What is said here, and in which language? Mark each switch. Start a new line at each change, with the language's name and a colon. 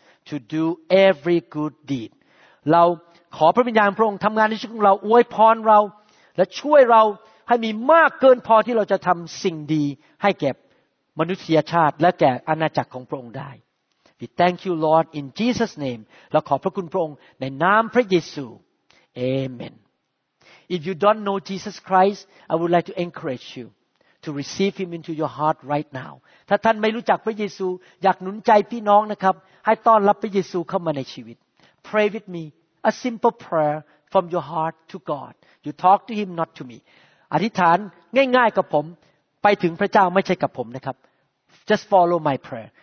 English: To do every good deed,
Thai: เราขอพระวิญญาณพระองค์ทำงานในชีวิตของเราอวยพรเราและช่วยเราให้มีมากเกินพอที่เราจะทำสิ่งดีให้แก่มนุษยชาติและแก่อาณาจักรของพระองค์ได้
English: We thank you, Lord, in Jesus' name.
Thai: เราขอพระคุณพระองค์ในนามพระเยซู Amen.
English: If you don't know Jesus Christ, I would like to encourage you to receive Him into your heart right now.
Thai: ถ้าท่านไม่รู้จักพระเยซูอยากหนุนใจพี่น้องนะครับให้ต้อนรับพระเยซูเข้ามาในชีวิต
English: Pray with me a simple prayer from your heart to God. You talk to Him, not to me.
Thai: อธิษฐานง่ายๆกับผมไปถึงพระเจ้าไม่ใช่กับผมนะครับ
English: Just follow my prayer.